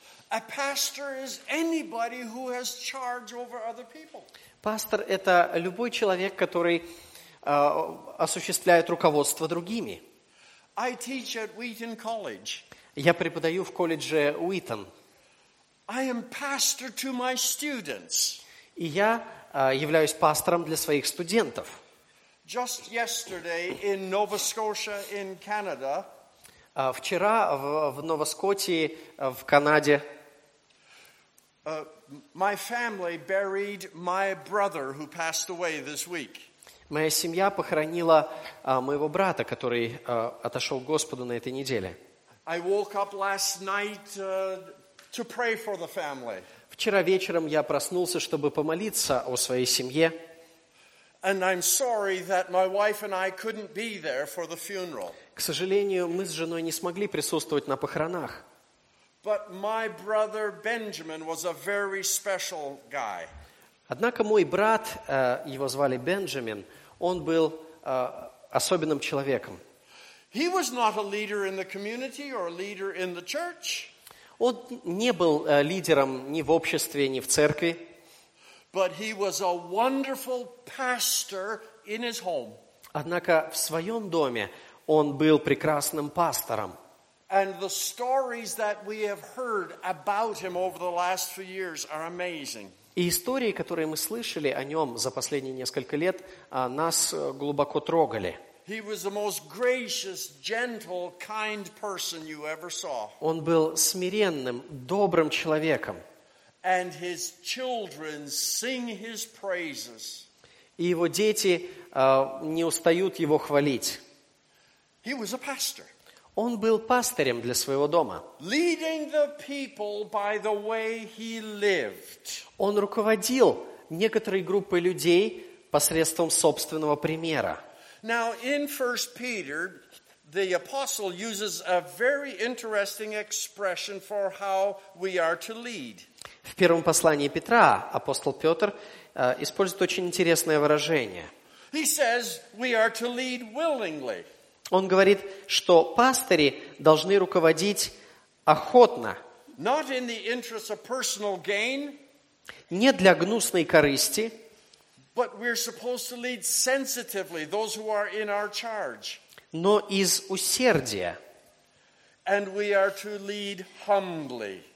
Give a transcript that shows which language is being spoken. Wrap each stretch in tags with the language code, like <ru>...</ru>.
<en>A pastor is anybody who has charge over other people.</en> <ru>Пастор – это любой человек, который осуществляет руководство другими.</ru> <en>I teach at Wheaton College.</en> <ru>Я преподаю в колледже Уитон.</ru> <en>I am pastor to my students.</en> <ru>И я являюсь пастором для своих студентов.</ru> <en>Just yesterday in Nova Scotia in Canada.</en> <ru>Вчера в Новоскотии в Канаде.</ru> <en>My family buried my brother who passed away this week.</en> <ru>Моя семья похоронила моего брата, который отошел к Господу на этой неделе.</ru> <en>I woke up last night, to pray for the family.</en> <ru>Вчера вечером я проснулся, чтобы помолиться о своей семье.</ru> <en>And I'm sorry that my wife and I couldn't be there for the funeral.</en> <ru>К сожалению, мы с женой не смогли присутствовать на похоронах.</ru> <en>But my brother Benjamin was a very special guy.</en> <ru>Однако мой брат, его звали Бенджамин, он был особенным человеком.</ru> <en>He was not a leader in the community or a leader in the church.</en> <ru>Он не был лидером ни в обществе, ни в церкви.</ru> <en>But he was a wonderful pastor in his home.</en> <ru>Однако в своем доме он был прекрасным пастором.</ru> <en>And the stories that we have heard about him over the last few years are amazing.</en> <ru>И истории, которые мы слышали о нем за последние несколько лет, нас глубоко трогали.</ru> <en>He was the most gracious, gentle, kind person you ever saw.</en> <ru>Он был смиренным, добрым человеком.</ru> <en>And his children sing his praises.</en> <ru>И его дети не устают его хвалить.</ru> <en>He was a pastor.</en> <ru>Он был пастырем для своего дома.</ru> <en>Leading the people by the way he lived.</en> <ru>Он руководил некоторой группой людей посредством собственного примера.</ru> <en>Now in 1 Peter, the apostle uses a very interesting expression for how we are to lead.</en> <ru>В первом послании Петра апостол Петр использует очень интересное выражение.</ru> <en>He says we are to lead willingly.</en> <ru>Он говорит, что пастыри должны руководить охотно.</ru> <en>Not in the interest of personal gain.</en> <ru>Не для гнусной корысти.</ru> <en>But we're supposed to lead sensitively those who are in our charge.</en> <ru>Но из усердия.</ru> <en>And we are to lead humbly.</en>